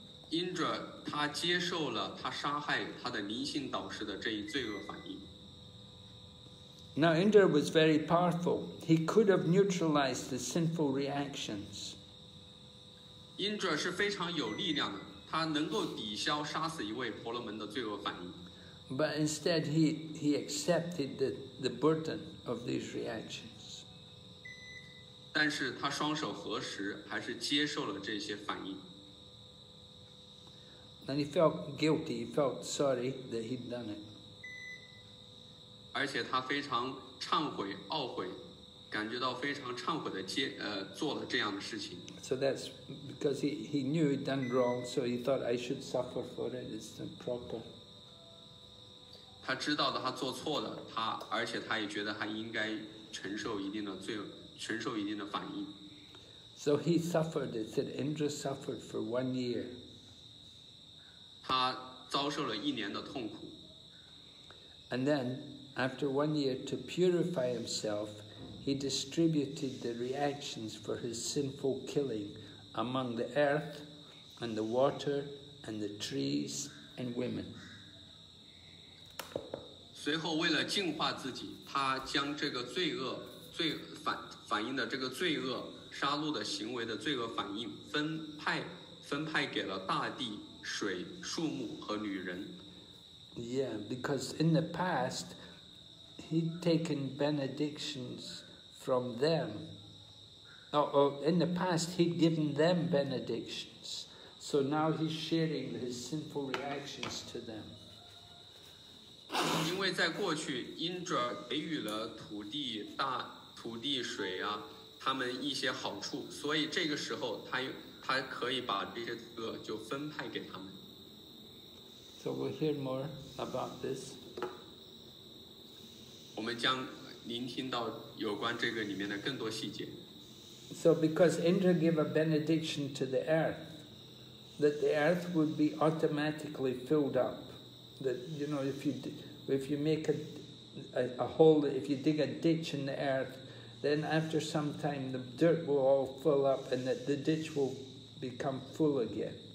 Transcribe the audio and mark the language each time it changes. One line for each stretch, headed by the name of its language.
Chinese: Indra 他接受了他杀害他的灵性导师的这一罪恶反应。
English: Now Indra was very powerful. He could have neutralized the sinful reactions.
Chinese: Indra 是非常有力量的，他能够抵消杀死一位婆罗门的罪恶反应。
English: But instead he accepted the burden of these reactions.
Chinese: 但是他双手合十，还是接受了这些反应。
English: And he felt guilty, he felt sorry that he'd done it.
Chinese: 而且他非常忏悔、懊悔，感觉到非常忏悔的做了这样的事情。
English: So that's because he knew he'd done wrong, so he thought I should suffer for it, it's not proper.
Chinese: 他知道的他做错了，他而且他也觉得他应该承受一定的罪，承受一定的反应。
English: So he suffered, it said Indra suffered for 1 year.
Chinese: 他遭受了一年的痛苦。
English: And then, after 1 year, to purify himself, he distributed the reactions for his sinful killing among the earth and the water and the trees and women.
Chinese: 随后为了净化自己，他将这个罪恶、罪反反应的这个罪恶、杀戮的行为的罪恶反应分派给了大地。水、树木和女人。
English: Yeah, because in the past, he'd taken benedictions from them. In the past, he'd given them benedictions. So now he's sharing his sinful reactions to them.
Chinese: 因为在过去 ，Indra 给予了土地、大土地、水啊，他们一些好处，所以这个时候他可以把这些罪恶就分派给他们。
English: So we'll hear more about this.
Chinese: 我们将聆听到有关这个里面的更多细节。
English: So because Indra gave a benediction to the earth. that the earth would be automatically filled up. That, you know, if you make a hole, if you dig a ditch in the earth, then after some time the dirt will all fill up and that the ditch will become full again.